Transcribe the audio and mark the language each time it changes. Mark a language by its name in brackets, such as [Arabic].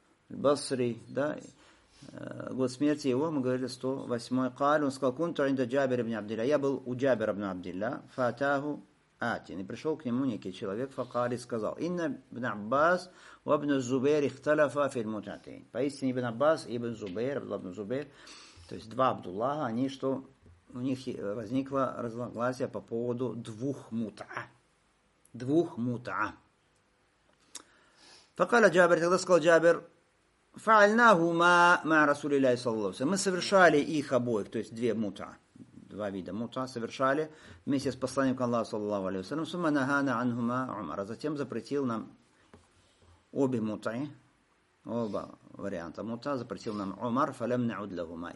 [Russian] Аль-Басри, да? Год смерти его, мы говорили, 108-й. Он сказал, [Arabic] кунту инда Джабир бин Абдилля. [Russian] Я был у Джабира бин Абдилля. Фатаху [Arabic] آتين. [Russian] пришел к нему некий человек, [Arabic] فقال [Russian] и сказал: [Arabic] إن ابن عباس وابن الزبير اختلفا في المتعتين. [Russian] Поистине ابن عباس и ابن زبير, ابن زبير, то есть два Абдуллаха, они что, у них возникло разногласие по поводу двух мута. Двух мута. [Arabic] فقال جابر, [Russian] тогда сказал Джабир: [Arabic] فَعَلْنَاهُمَا مَعَ رَسُولِ اللَّهِ صَلَّى اللَّهُ عَلَيْهِ. [Russian] Мы совершали их обоих, то есть две мута, два вида мута совершали вместе с посланником Аллаха, саллаллаху алейхи ва саллям, [Arabic] ثُمَّ نَهَانَا عَنْهُمَا عُمَر. [Russian] А затем запретил нам обе мутаи, оба варианта мута, запретил нам Умар, [Arabic] فَلَمْ نَعُدْ لَهُمَا.